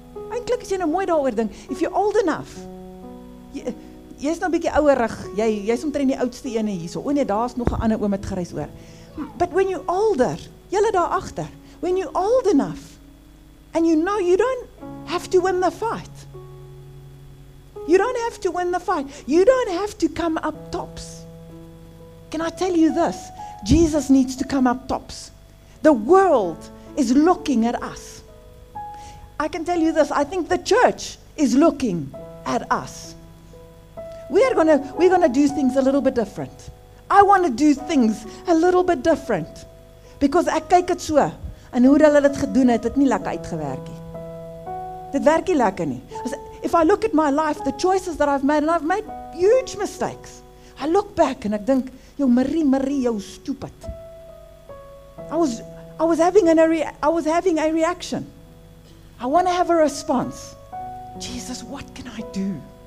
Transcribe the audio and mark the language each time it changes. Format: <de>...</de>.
<af>Eintlik as jy nou mooi daaroor dink,</af> <en>if you're old enough,</en> <af>jy's nou 'n bietjie ouerig, jy's omtrent die oudste een hierso. O nee, daar's nog 'n ander oom wat gerys oor.</af> <en>But when you're older,</en> <af>julle daar agter,</af> <en>when you're old enough and you know you don't have to win the fight. You don't have to win the fight. You don't have to come up tops. Can I tell you this? Jesus needs to come up tops. The world is looking at us. I can tell you this, I think the church is looking at us. We're gonna do things a little bit different. I want to do things a little bit different.</en> <af>Because ek kyk dit so en hoe hulle dit gedoen het, het nie lekker uitgewerk nie. Dit werk nie lekker nie.</af> <en>If I look at my life, the choices that I've made, and I've made huge mistakes. I look back and</en> <af>ek dink,</af> <en>yo, Marie, yo, stupid. I was having a reaction. I want to have a response. Jesus, what can I do?</en>